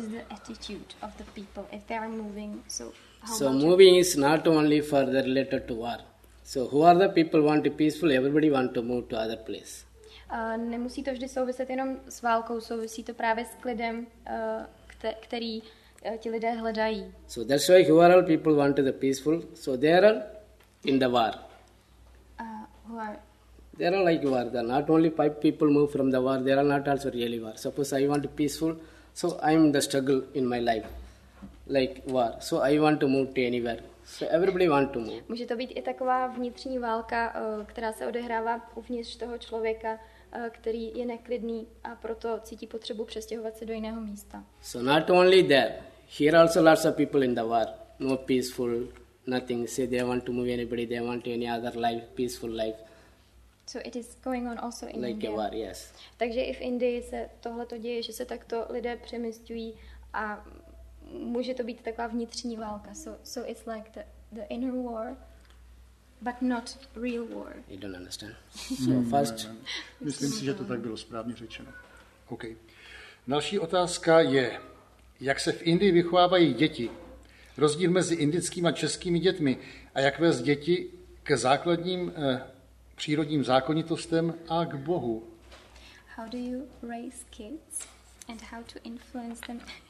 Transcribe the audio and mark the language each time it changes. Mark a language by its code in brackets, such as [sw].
[en] What is the attitude of the people if they are moving? So moving is not only for the related to war. So who are the people want to peaceful? Everybody want to move to other place. [cs] Nemusí to vždy souviset jenom s válkou, souvisí to právě s klidem, který ti lidé hledají. [en] So that's why who are all people want to the peaceful? So they are all in the war. Who are? They are all like war. They're not only five people move from the war, they are not also really war. Suppose I want to peaceful, so I'm in the struggle in my life. Like war. So I want to move to anywhere. So everybody want to move. [cs] Může to být i taková vnitřní válka, která se odehrává uvnitř toho člověka, který je neklidný a proto cítí potřebu přestěhovat se do jiného místa. [en] So not only there. Here also lots of people in the war. No peaceful, nothing. Say they want to move anybody, they want any other life, peaceful life. So it is going on also in like India. A war, yes. [cs] Takže i v Indii se tohleto děje, že se takto lidé přemysťují a může to být taková vnitřní válka. [en] So it's like the inner war, but not real war. You don't understand. So first, [cs] myslím si, že to tak bylo správně řečeno. OK. Další otázka je, jak se v Indii vychovávají děti? Rozdíl mezi indickými a českými dětmi a jak vést děti k základním přírodním zákonitostem a k Bohu? [en] How do you raise kids and how to influence them?